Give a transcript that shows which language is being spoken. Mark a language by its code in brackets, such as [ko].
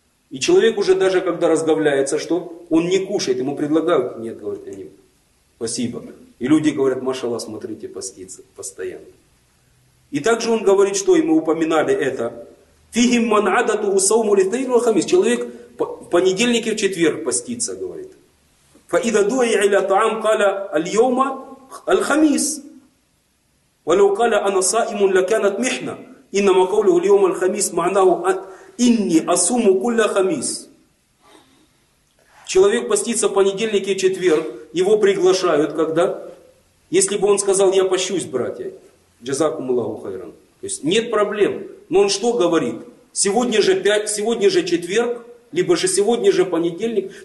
[ru] И человек уже даже когда разговляется, что он не кушает, ему предлагают, нет, говорят они, спасибо. И люди говорят, машаллах, смотрите, постится постоянно. И также он говорит, что, и мы упоминали это, [ar] фигим ман адатуху сауму литнейру хамис, [ru] человек в понедельник и в четверг постится, говорит. [ar] فإذا دعى إلى طعام قال اليوم الخميس ولو قال أنا صائم لكانت محنة إنما قوله اليوم الخميس معناه إني أصوم كل خميس. [ru] Человек постится в понедельник и четверг, его приглашают, когда, если бы он сказал, я пощусь, братья, [ar] جزاكم الله خيرا, [ru] то есть нет проблем, но он что говорит, сегодня же четверг, либо же сегодня же понедельник.